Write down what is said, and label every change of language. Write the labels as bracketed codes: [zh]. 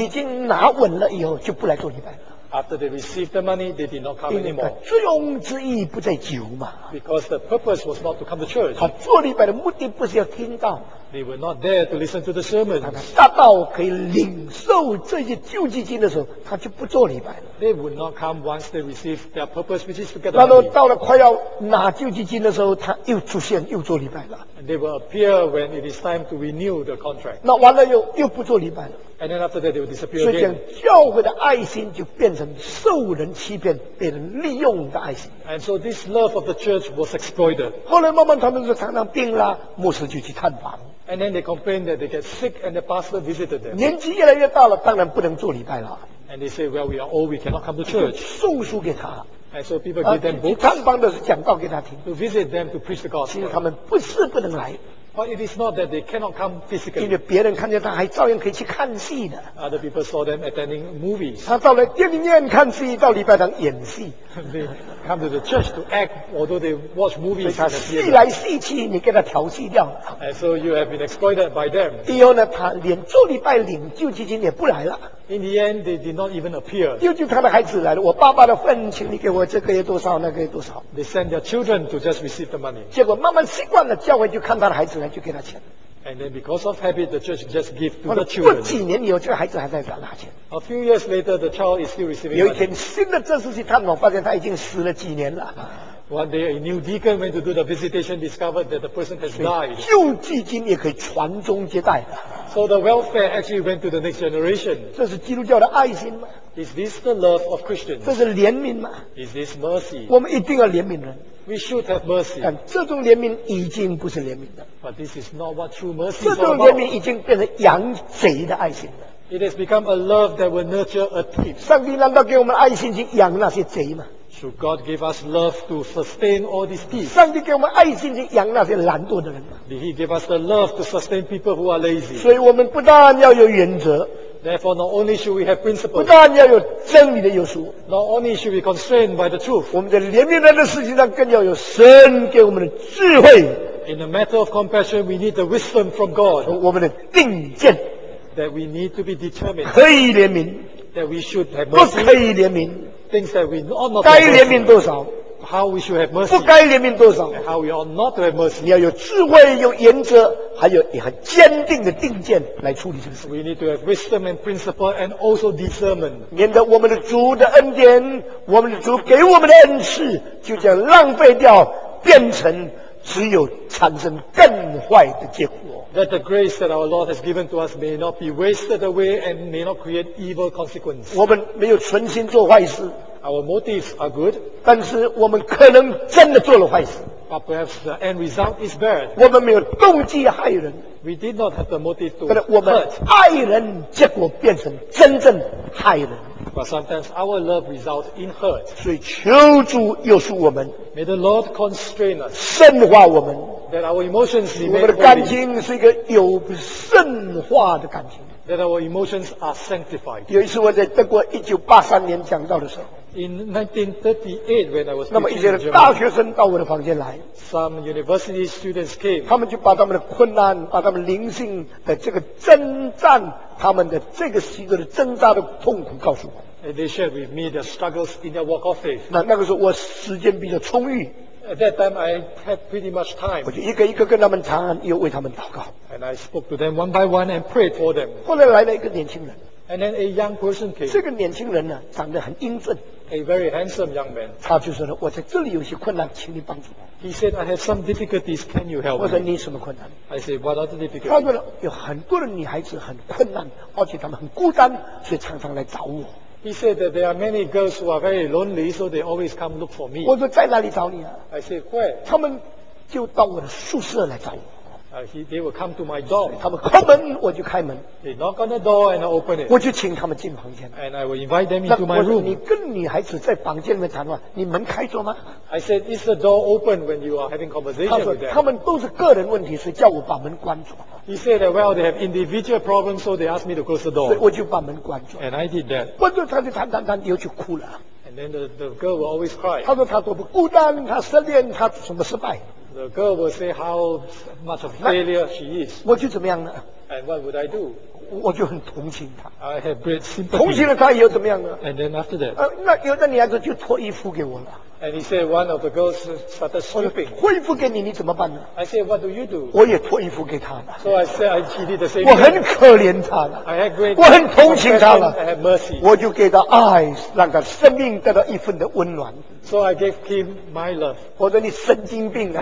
[zh] 已经拿稳了以后，就不来做礼拜了。 [en] After they received the money, they did not come anymore. [zh] 因为他作用之意不在酒嘛。 [en] Because the purpose was not to come to church. [zh] 他做礼拜的目的不是要听到。 [en] They were not there to listen to the sermons. [zh] 他大到可以领受这些救济金的时候，他就不做礼拜了。 [en] They would not come once they received their purpose, which is to get the money. [zh] 然后到了快要拿救济金的时候，他又出现又做礼拜了。 [en] And they will appear when it is time to renew the contract. [zh] 那完了又不做礼拜了。 [en] And then after that, they will disappear. [zh] 所以讲教会的爱心就变成受人欺骗、被人利用的爱心。 [en] And so this love of the church was exploited. [zh] 后来慢慢他们就常常病啦，牧师就去探访。 [en] And then they complain that they get sick and the pastor visited them. [zh] 年纪越来越大了，当然不能做礼拜了。 [en] And they say, well, we are old, we cannot come to church. [zh] 送书给他。 [en] And so people give them books. [zh] 去探访的是讲道给他听。 [en] To visit them to preach the gospel. [zh] 其实他们不是不能来。 [en] But it is not that they cannot come physically. [zh] 因为别人看见他还照样可以去看戏的。 [en] Other people saw them attending movies. [zh] 他到了电影院看戏，到礼拜堂演戏。 [en] They come to the church to act, although they watch movies. [zh] 所以他戏来戏去，你给他调戏掉了。 [en] And so you have been exploited by them. [zh] 以后呢，他连做礼拜领救济金也不来了。 [en] In the end, they did not even appear. [zh] 又就他的孩子来了，我爸爸的份，请你给我这个月多少，那个月多少。 [en] They send their children to just receive the money. [zh] 结果慢慢习惯了，教会就看他的孩子来，就给他钱。 [en] And then because of habit, the church just give to the children. [zh] 过几年以后，这个孩子还在拿钱。 [en] A few years later, the child is still receiving. [zh] 有一天，新的正式去探访，发现他已经死了几年了。 [en] One day, a new deacon went to do the visitation, discovered that the person has died. [zh] 救济金也可以传宗接代的。 [en] So the welfare actually went to the next generation. [zh] 这是基督教的爱心吗？ [en] Is this the love of Christians? [zh] 这是怜悯吗？ [en] Is this mercy? [zh] 我们一定要怜悯人。 [en] We should have mercy. [zh] 但这种怜悯已经不是怜悯的。 [en] But this is not what true mercy is about. [zh] 这种怜悯已经变成养贼的爱心了。 [en] It has become a love that will nurture a thief. [zh] 上帝难道给我们爱心去养那些贼吗？ [en] Should God give us love to sustain all these thieves? [zh] 上帝给我们爱心去养那些懒惰的人吗？ [en] Did He give us the love to sustain people who are lazy? [zh] 所以我们不但要有原则。 [en] Therefore, not only should we have principles. [zh] 不但要有真理的约束。 [en] Not only should we be constrained by the truth. [zh] 我们在怜悯人的事情上更要有神给我们的智慧。 [en] In a matter of compassion, we need the wisdom from God. [zh] 我们的定见。 [en] That we need to be determined. [zh] 可以怜悯。 [en] That we should have mercy. [zh] 不可以怜悯。 [en] Things that we ought not [zh] 该怜悯多少 [en] ？How we should have mercy？ [zh] 不该怜悯多少 [en] ？How we ought not to have mercy？ [zh] 你要有智慧、有原则，还有很坚定的定见来处理这个事。 [en] We need to have wisdom and principle and also discernment。 [zh] 免得我们的主的恩典，我们的主给我们的恩赐，就这样浪费掉，变成只有产生更坏的结果。 [en] That the grace that our Lord has given to us may not be wasted away and may not create evil consequences. [zh] 我们没有存心做坏事。 [en] Our motives are good. [zh] 但是我们可能真的做了坏事。 [en] But perhaps the end result is bad. [zh] 我们没有动机害人。 [en] We did not have the motive to hurt. [zh] 我们爱人，结果变成真正害人。 [en] But sometimes our love results in hurt. [zh] 所以求主约束我们。 [en] May the Lord constrain us. [zh] 圣化我们。 [en] That our emotions remain holy. [zh] 我们的感情是一个有圣化的感情。 [en] That our emotions are sanctified. [zh] 有一次我在德国1983年讲道的时候。 [en] In 1938, when I was [zh] 那么一些的大学生到我的房间来。 [en] Some university students came. [zh] 他们就把他们的困难，把他们灵性的这个征战，他们的这个时代的挣扎的痛苦告诉我。 [en] And they shared with me their struggles in their walk of faith. [zh] 那个时候我时间比较充裕。 [en] At that time, I had pretty much time. [zh] 我就一个一个跟他们谈，又为他们祷告。 [en] And I spoke to them one by one and prayed for them. [zh] 后来来了一个年轻人。 [en] And then a young person came. [zh] 这个年轻人呢，长得很英俊。 [en] A very handsome young man. [zh] 他就说了，我在这里有些困难，请你帮助我。 [en] He said, I have some difficulties. Can you help me? [zh] 我说你什么困难？ [en] I said, what are the difficulties? [zh] 他说了，有很多的女孩子很困难，而且他们很孤单，所以常常来找我。 [en] He said that there are many girls who are very lonely, so they always come look for me. [zh] 我说在哪里找你啊？ [en] I said, where? [zh] 他们就到我的宿舍来找我。 [en] They will come to my door. [zh] 他们敲门，我就开门。 [en] They knock on the door and I open it. [zh] 我就请他们进房间。 [en] And I will invite them into my room. [zh] 你跟女孩子在房间里面谈话，你门开着吗 [en] ？I said, is the door open when you are having conversation with them? [zh] 他说，他们都是个人问题，是叫我把门关住。 [en] He said, well, they have individual problems, so they asked me to close the door. [zh] 所以我就把门关住。 [en] And I did that. [zh] 关住，他就谈谈谈，又去哭了。 [en] And then the girl will always cry. [zh] 他说他多不孤单，他失恋，他什么失败。 [en] The girl will say how much of failure she is. [zh] 我就怎么样呢 [en] ？And what would I do? [zh] 我就很同情她。 [en] I have great sympathy. [zh] 同情了她以后怎么样呢 [en] ？And then after that. [zh] 那有的女孩子就脱衣服给我了。 [en] And he said one of the girls started stripping. [zh] 脱衣服给你，你怎么办呢 [en] ？I said what do you do? [zh] 我也脱衣服给她了。 [en] So I said I did the same. [zh] 我很可怜她了。 [en] I had great. [zh] 我很同情她了。 [en] I had mercy. [zh] 我就给她爱，让她生命得到一份的温暖。 [en] So I gave him my love. [zh] 我说你神经病啊